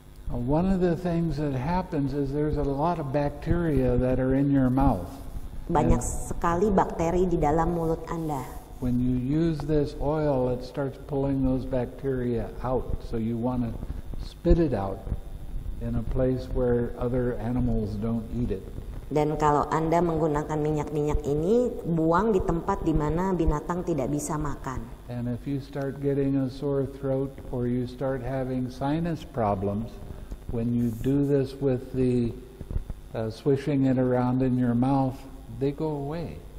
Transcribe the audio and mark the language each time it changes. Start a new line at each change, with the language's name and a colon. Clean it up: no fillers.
English: One of the things that happens is there's a lot of bacteria that are in your mouth.
Indonesian: Banyak sekali bakteri di dalam mulut Anda.
English: When you use this oil, it starts pulling those bacteria out. So you want to spit it out in a place where other animals don't eat it.
Indonesian: Dan kalau Anda menggunakan minyak-minyak ini, buang di tempat di mana binatang tidak bisa makan.
English: And if you start getting a sore throat or you start having sinus problems, when you do this with the swishing it around in your mouth, they go away.